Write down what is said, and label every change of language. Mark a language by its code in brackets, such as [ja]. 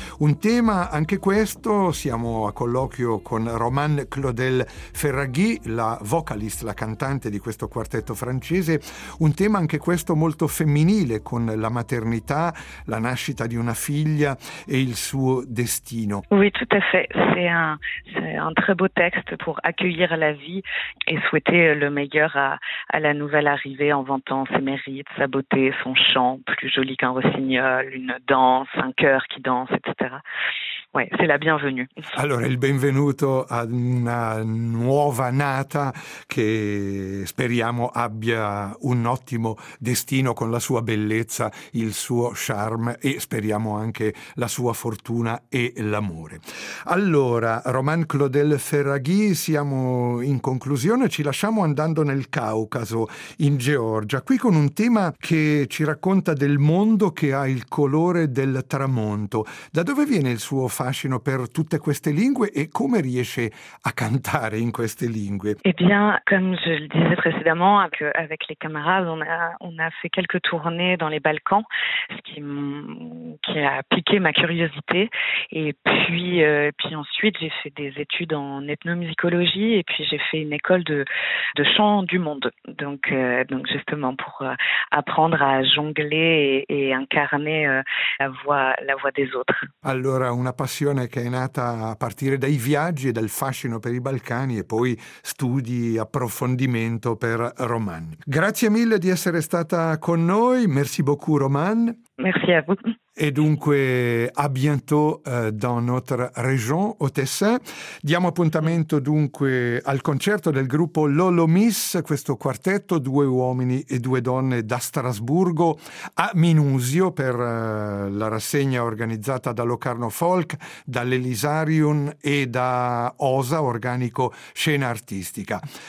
[it] Un tema anche questo, siamo a colloquio con Romane Claudel Ferraghi, la vocalist, la cantante di questo quartetto francese, un tema anche questo molto femminile con la maternità, la nascita di una figlia et il suo destino. [fr] Oui, tout à fait. C'est un très beau texte pour accueillir la vie et souhaiter le meilleur à la nouvelle arrivée en vantant ses mérites, sa beauté, son chant, plus joli qu'un rossignol, une danse, un cœur qui danse, etc. Oui, c'est la bienvenue. [it] Allora, il benvenuto a una nuova nata che speriamo abbia un ottimo destino con la sua bellezza, il suo charme e speriamo anche la sua fortuna e l'amore. Allora, Romane Claudel Ferraghi, siamo in conclusione, ci lasciamo andando nel Caucaso, in Georgia, qui con un tema che ci racconta del mondo che ha il colore del tramonto. Da dove viene il suo fascino per tutte queste lingue e come riesce a cantare in queste lingue? [fr] Eh bien, comme je le disais précédemment, avec les camarades, on a fait quelques tournées dans les Balkans, ce qui a piqué ma curiosité. Et puis ensuite, j'ai fait des études en ethnomusicologie et puis j'ai fait une école de chant du monde. Donc justement pour apprendre à jongler et incarner la voix des autres. [it] Allora, una passione che è nata a partire dai viaggi e dal fascino per i Balcani e poi studi, approfondimento per Romane. Grazie mille di essere stata con noi. [fr] Merci beaucoup, Romane. Merci à vous. [it] E dunque [fr] a bientôt dans notre région au Tessin. [it] Diamo appuntamento dunque al concerto del gruppo Lolomis, questo quartetto, due uomini e due donne da Strasburgo a Minusio per la rassegna organizzata da Locarno Folk, dall'Elisarium e da OSA, organico scena artistica.